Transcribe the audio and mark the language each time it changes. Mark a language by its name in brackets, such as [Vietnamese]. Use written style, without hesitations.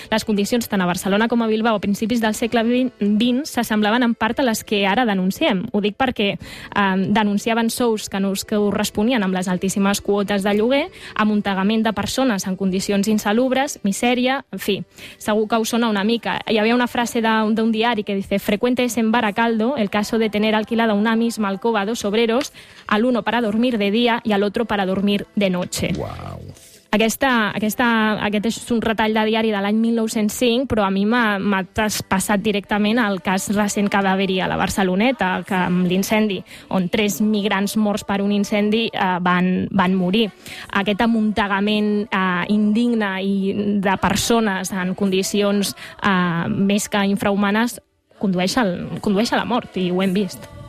[Catalan] Les condicions tant a Barcelona com a Bilbao a principis del segle XX s'assemblaven en part a les que ara denunciem. Ho dic perquè denunciaven sous que ho responien amb les altíssimes quotes de lloguer, amuntegament de persones en condicions insalubres, misèria, en fi, segur que us sona una mica. Hi havia una frase d'un diari que [Spanish] dice: frecuentes en Baracaldo el caso de tener alquilada una misma alcoba a dos obreros, al uno para dormir de día y al otro para dormir de noche. Wow. [Catalan] Aquest és un retall de diari de l'any 1905, però a mi m'ha traspassat directament al cas recent que va haver-hi a la Barceloneta, que amb l'incendi, on 3 migrants morts per un incendi van morir. Aquest amuntegament indigne i de persones en condicions més que infrahumanes condueix a la mort, i ho hem vist.